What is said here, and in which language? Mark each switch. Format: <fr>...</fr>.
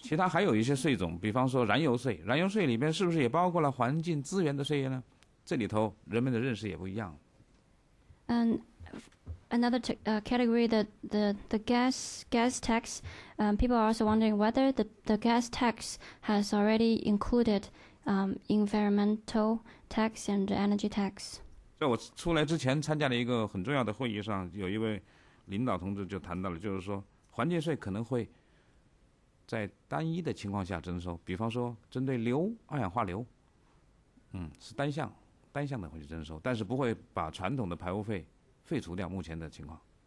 <zh>其他还有一些税种，比方说燃油税，燃油税里面是不是也包括了环境资源的税呢？这里头人们的认识也不一样。</zh> <en>Another category that the gas tax, people are also wondering whether the gas tax has already included environmental tax and energy tax.</en> <zh>在我出来之前参加了一个很重要的会议上，有一位领导同志就谈到了，就是说环境税可能会在单一的情况下征收，比方说针对硫二氧化硫，是单向的会去征收，但是不会把传统的排污费废除掉目前的情况。</zh>